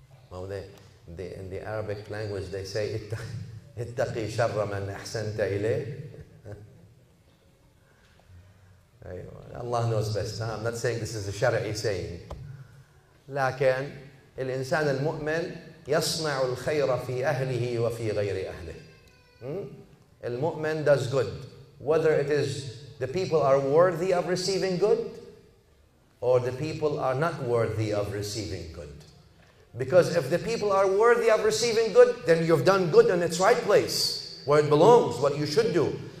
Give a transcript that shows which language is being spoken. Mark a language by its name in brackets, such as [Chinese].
[English] Well, they in the Arabic language they say [Arabic] ittaqi sharra man ahsanta ilayh. [English] Allah knows best. Huh? I'm not saying this is a shar'i saying. [Arabic] لكن الإنسان المؤمن يصنع الخير في أهله وفي غير أهله. [English] المؤمن does good, whether it is the people are worthy of receiving good or the people are not worthy of receiving good. Because if the people are worthy of receiving good, then you've done good in its right place, where it belongs, what you should do.